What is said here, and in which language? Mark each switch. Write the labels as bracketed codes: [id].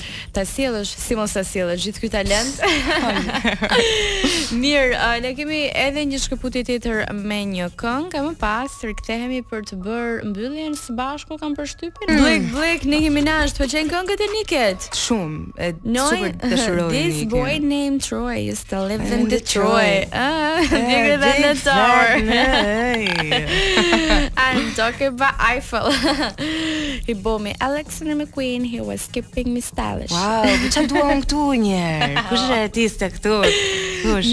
[sq] Ta sjellësh, si mos ta sjellësh gjithë ky talent. Mirë, ne kemi edhe një shkëputje tjetër me një këngë, më pas rikthehemi për të bërë mbylljen së bashku, kam përshtypjen. Blik, Nicki Minaj, të pëlqen këngët e Nikit? Shumë, e super dashuroj. [en] This boy named Troy used to live in Detroit. Bigger than the tower. I'm talking about Eiffel. He bought me Alexander McQueen, he was keeping me style. [sq] Wow, që të duon këtu njerë, kush është artiste këtu, kush,